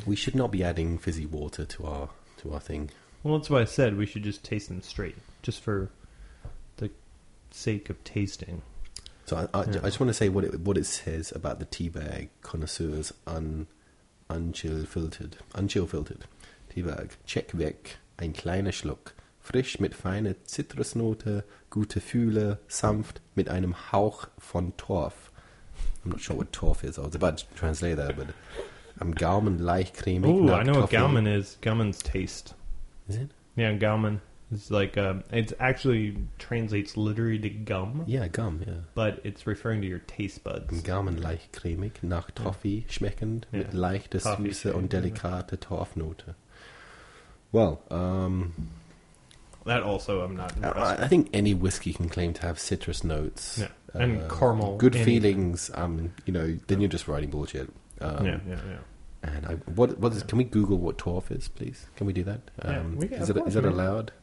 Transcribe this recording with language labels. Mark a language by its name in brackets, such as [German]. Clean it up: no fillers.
[English] We should not be adding fizzy water to our thing. Well, that's why I said we should just taste them straight, just for the sake of tasting. So I just want to say what it says about the teabag connoisseurs unchill filtered teabag. [German] Check weg ein kleiner Schluck frisch mit feiner Zitrusnote gute Fühle sanft mit einem Hauch von Torf. [English] I'm not sure what Torf is. I was about to translate that, but [German] am Gaumen leicht cremig. [English] Oh, I know what Gaumen is. Gaumen's taste. Is it? Yeah, Gaumen. It's like it actually translates literally to gum. Yeah, gum, yeah. But it's referring to your taste buds. [German] Gaumen leicht cremig nach Toffee schmeckend mit leichter Süße und delikate Torfnote. [English] Well, that also I'm not impressed. I think any whiskey can claim to have citrus notes. Yeah. And caramel. Good feelings, you know, then you're just writing bullshit. And what is can we Google what torf is, please? Can we do that? Is it allowed?